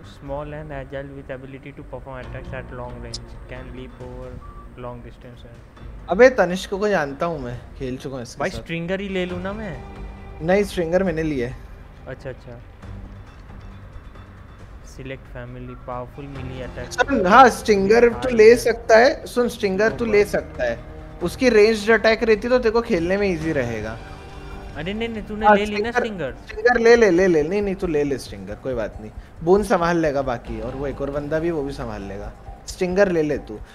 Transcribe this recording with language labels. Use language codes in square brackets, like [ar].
[en] Small and agile with ability to perform attacks at long range can leap over long distance. [hi] अबे तनिष्क को जानता हूँ मैं, खेल चुका हूँ इसके भाई साथ. स्ट्रिंगर ही ले लूँ ना मैं? नहीं स्ट्रिंगर मैंने लिया. अच्छा अच्छा. [en] Select family, powerful melee attack. [hi] सुन हाँ स्टिंगर तो ले सकता है. सुन स्टिंगर तो ले सकता है. उसकी [en] ranged attack [hi] रहती तो तेरे को खेलने में easy रहेगा. अरे नहीं नहीं तूने ले ली ना स्टिंगर. स्टिंगर ले ले ले ले. नहीं नहीं तू ले ले स्टिंगर, कोई बात नहीं. बून संभाल लेगा बाकी, और वो एक और बंदा भी, वो भी संभाल लेगा. स्टिंगर ले ले तू.